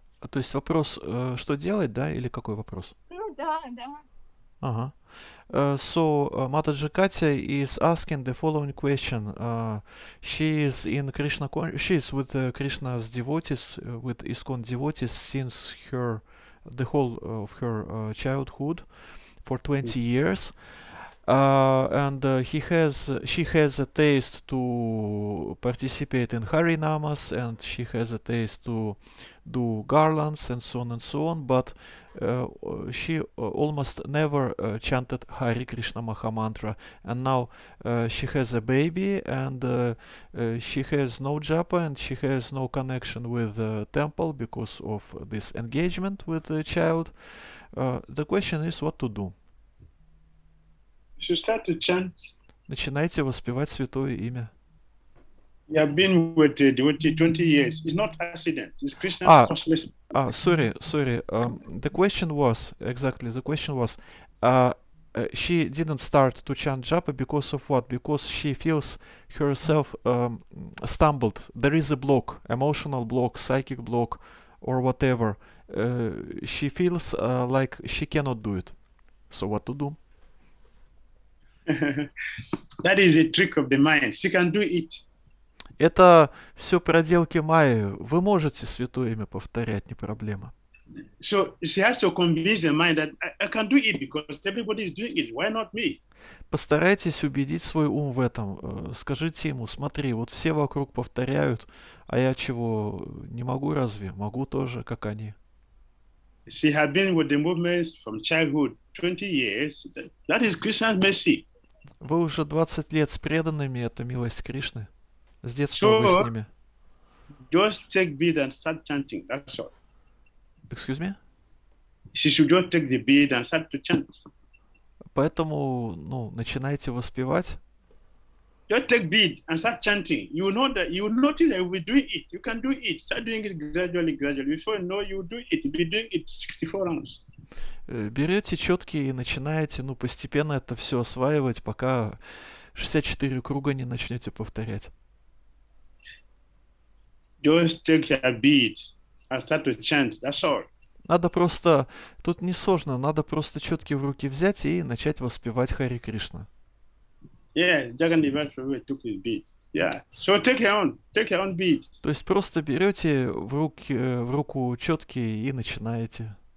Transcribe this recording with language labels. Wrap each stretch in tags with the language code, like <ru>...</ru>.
<ru>То есть вопрос, что делать, да, или какой вопрос? Ну да, да. Ага.</ru> <en>So, Mataji Katya is asking the following question. She is with Krishna's devotees, with ISKCON devotees since the whole of her childhood for 20 years. She has a taste to participate in Harinamas, and she has a taste to do garlands and so on, but she almost never chanted Hare Krishna Maha Mantra. And now she has a baby, and she has no japa, and she has no connection with the temple because of this engagement with the child. The question is, what to do? She started to chant.</en> <ru>Начинайте воспевать святое имя.</ru> <en>Я been with the devotee 20 years. It's not accident. It's Krishna consciousness. Sorry. The question was she didn't start to chant japa because of what? Because she feels herself stumbled. There is a block, emotional block, psychic block or whatever. She feels like she cannot do it. So what to do? That is a trick of the mind. She can do it.</en> <ru>Это все проделки Майи. Вы можете святое имя повторять, не проблема.</ru> <en>So she has to convince the mind that I can do it because everybody is doing it. Why not me?</en> <ru>Постарайтесь убедить свой ум в этом. Скажите ему: смотри, вот все вокруг повторяют, а я чего не могу разве? Могу тоже, как они.</ru> <en>She has been with the movements from childhood 20 years. That is Krishna's mercy.</en> <ru>Вы уже 20 лет с преданными, это милость Кришны. С детства вы с ними.</ru> <en>Just take bead and start chanting, that's all. Excuse me? She should just take the bead and start to chant.</en> <ru>Поэтому, ну, начинайте воспевать.</ru> <en>Just take bead and start chanting. You know that, you notice that you'll be doing it. You can do it. Start doing it gradually, gradually. Before you know, you'll do it. You'll be doing it 64 rounds.</en> <ru>Берете четки и начинаете, ну, постепенно это все осваивать, пока 64 круга не начнете повторять.</ru> <en>Just take a beat and start to chant, that's all.</en> <ru>Надо просто, тут не сложно, надо просто четки в руки взять и начать воспевать Хари Кришна.</ru> <en>Yes, Jagannath Mahaprabhu took his beat. Yeah. So take your own beat.</en> <ru>То есть просто берете в руку четки и начинаете.</ru>